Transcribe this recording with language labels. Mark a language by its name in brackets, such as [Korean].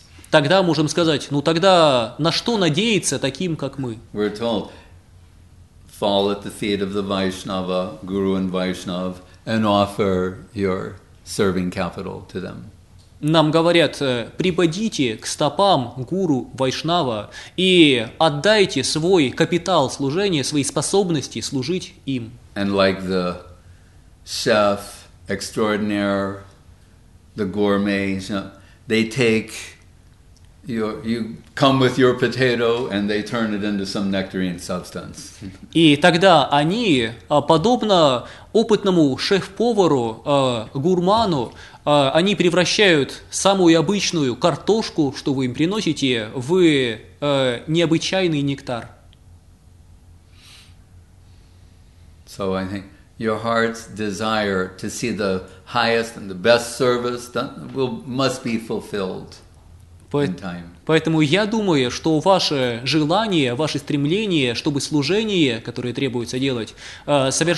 [Russian] Тогда можем сказать, ну тогда на что надеяться таким, как мы? [English] Fall at the feet of the Vaishnava, Guru and Vaishnav, and offer your serving capital to them. [Russian] Нам говорят, прибодите к стопам Гуру Вайшнава и отдайте свой капитал служения, свои способности служить им. [English] And like the chef extraordinaire, the gourmet, they take you come with your potato and they turn it into some nectarine substance. [Russian] И тогда они, подобно опытному шеф-повару, гурману, они превращают самую обычную картошку, что вы им приносите, в необычайный нектар. [English] So I think your heart's desire to see the highest and the best service must be fulfilled. [Russian] Поэтому я думаю, что ваше желание, ваше стремление, чтобы служение, которое требуется делать, совершалось правильным, совершенным образом, обязательно будет исполнено.